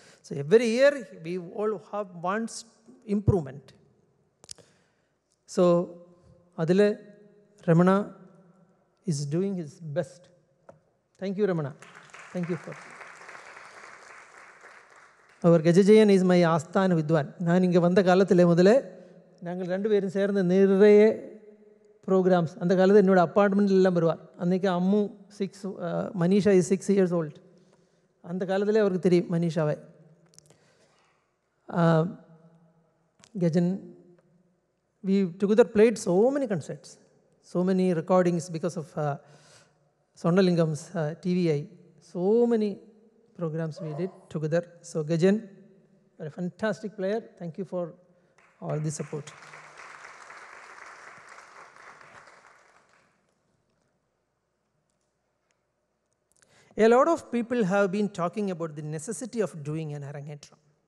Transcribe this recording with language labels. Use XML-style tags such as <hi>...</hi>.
<en>So every year we all wants improvement. So adile Ramana is doing his best. Thank you Ramana, thank you for</en> <ta>our.</ta> <en>Gajajayan is my asthana vidwan.</en> <ta>நான் இங்கே வந்த காலத்தில் முதலே நாங்கள் ரெண்டு பேரும் சேர்ந்து நிறைய ப்ரோக்ராம்ஸ் அந்த காலத்தில் என்னோடய அப்பார்ட்மெண்ட்டில் எல்லாம் வருவார். அன்றைக்கி Ammu six,</ta> <en>Manisha is 6 years old.</en> <ta>அந்த காலத்திலே அவருக்கு தெரியும் மனிஷாவை.</ta> <en>Gajan, we together played so many concerts, so many recordings because of Sonnalingam's TVI, so many programs we did together. So Gajan, you're a fantastic player. Thank you for all the support. A lot of people have been talking about the necessity of doing an arangetram.</en>